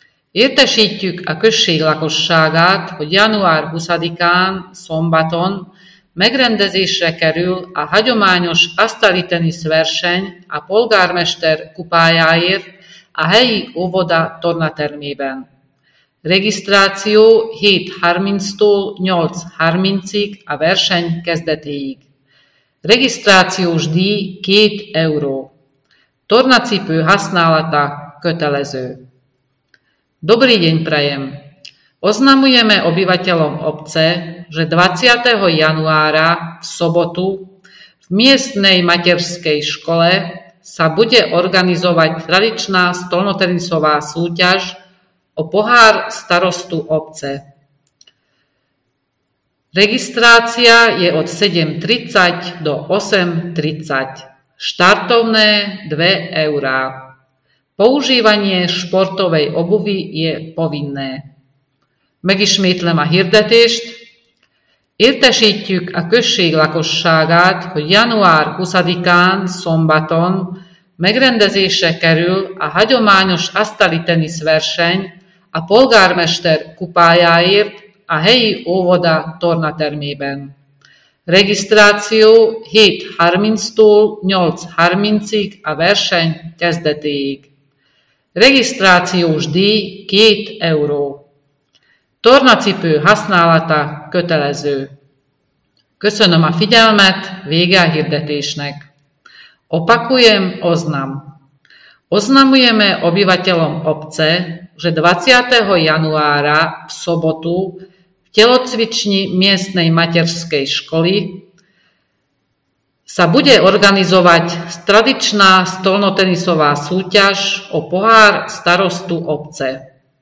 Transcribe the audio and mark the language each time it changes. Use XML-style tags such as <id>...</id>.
<hu>Értesítjük a község lakosságát, hogy január 20-án, szombaton megrendezésre kerül a hagyományos asztali tenisz verseny a polgármester kupájáért a helyi óvoda tornatermében. Regisztráció 7:30-tól 8:30-ig a verseny kezdetéig. Regisztrációs díj 2 euró. Tornacipő használata kötelező.</hu> <sk>Dobrý deň prajem. Oznamujeme obyvateľom obce, že 20. januára v sobotu v miestnej materskej škole sa bude organizovať tradičná stolnotenisová súťaž o pohár starostu obce. Registrácia je od 7:30 do 8:30. Štartovné 2 eurá. Používanie športovej obuvy je povinné.</sk> <hu>Megismétlem a hirdetést. Értesítjük a község lakosságát, hogy január 20-án szombaton megrendezésre kerül a hagyományos asztali tenisz verseny a polgármester kupájáért a helyi óvoda tornatermében. Regisztráció 7:30-tól 8:30-ig a verseny kezdetéig. Regisztrációs díj 2 euró. Tornacipő használata kötelező. Köszönöm a figyelmet, vége a hirdetésnek.</hu> <sk>Opakujem oznam. Oznamujeme obyvateľom obce, že 20. januára v sobotu v telocvični miestnej materskej školy sa bude organizovať tradičná stolnotenisová súťaž o pohár starostu obce.</sk>